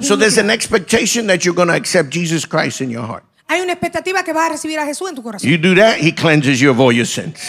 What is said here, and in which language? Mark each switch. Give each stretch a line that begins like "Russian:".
Spanish: iniquidades.
English: So there's an expectation that you're going to accept Jesus Christ in your heart.
Spanish: Hay una expectativa que vas a recibir a Jesús en tu corazón.
English: You do that, he cleanses you of all your sins.